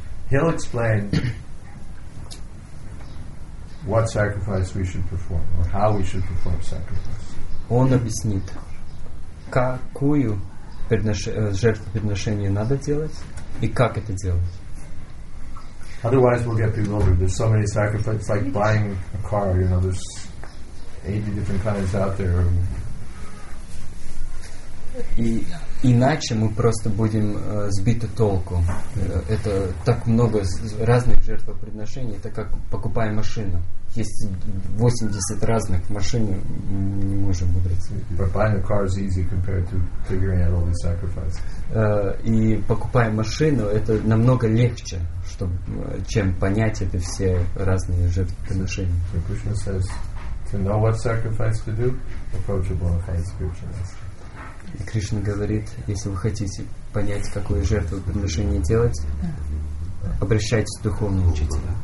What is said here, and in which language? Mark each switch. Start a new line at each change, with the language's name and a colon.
English: He'll explain what sacrifice we should perform or how we should perform sacrifice.
Russian: Он объяснит, какую жертвоприношение надо делать. И как это делать?
English: Otherwise we'll get bewildered. There's so many sacrifices, like buying a car, you know, there's 80 different kinds out there.
Russian: И иначе мы просто будем сбиты толку. Это так много разных жертвоприношений, это как покупая машину. Есть 80 разных машин, не можем выбрать.
English: But buying a car is easy compared to figuring out all these sacrifices.
Russian: И покупая машину, это намного легче, чтобы, чем понять эти все разные жертвоприношения.
English: So Krishna says, to know what sacrifice to do, approach a bona fide spiritual master.
Russian: И Кришна говорит, если вы хотите понять, какое жертвоприношение делать, обращайтесь к духовному учителю.